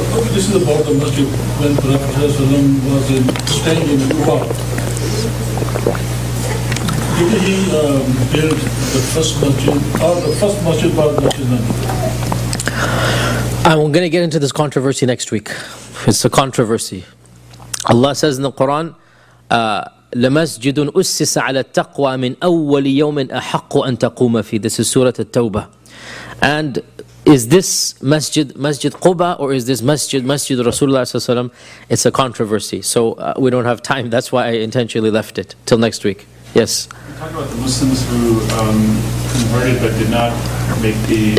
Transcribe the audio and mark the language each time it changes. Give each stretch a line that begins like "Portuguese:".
English: This is about the masjid when Prophet was standing in Kufa. Did he build the first masjid, I'm going to get into this controversy next week. It's a controversy. Allah says in the Quran,
Arabic: لَمَسْجِدٌ أُسِّسَ عَلَى التَّقْوَى مِنْ أَوَّلِ يَوْمٍ أَحَقُّ أَن تَقُومَ فِي.
English: This is Surah At-Tawbah. And is this masjid, Masjid Quba, or is this masjid Rasulullah? It's a controversy. So we don't have time. That's why I intentionally left it till next week. Yes. Talk about the Muslims who converted but did not make the...